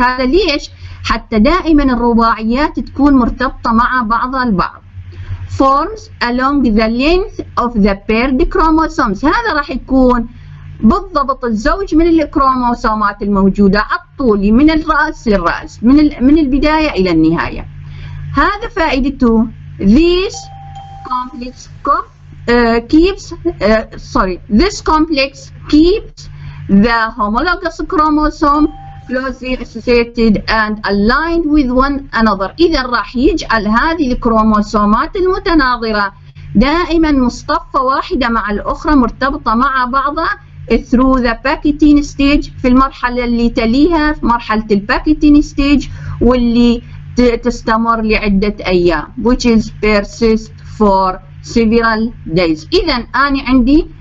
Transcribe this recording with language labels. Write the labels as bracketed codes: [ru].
[ar] هذا ليش؟ حتى دائما الرباعيات تكون مرتبطه مع بعضها البعض. [en] forms along the length of the paired chromosomes، [ar] هذا راح يكون بالضبط الزوج من الكروموسومات الموجوده على الطول من الراس للراس من البدايه الى النهايه. هذا فائدته [en] this complex keeps this complex keeps the homologous chromosome closely associated and aligned with one another. [ar] إذا راح يجعل هذه الكروموسومات المتناظرة دائما مصطفة واحدة مع الأخرى مرتبطة مع بعضها [en] through the packeting stage، [ar] في المرحلة اللي تليها في مرحلة الباكيتين ستيج واللي تستمر لعدة أيام [en] which is persist for several days. [ar] إذا أنا عندي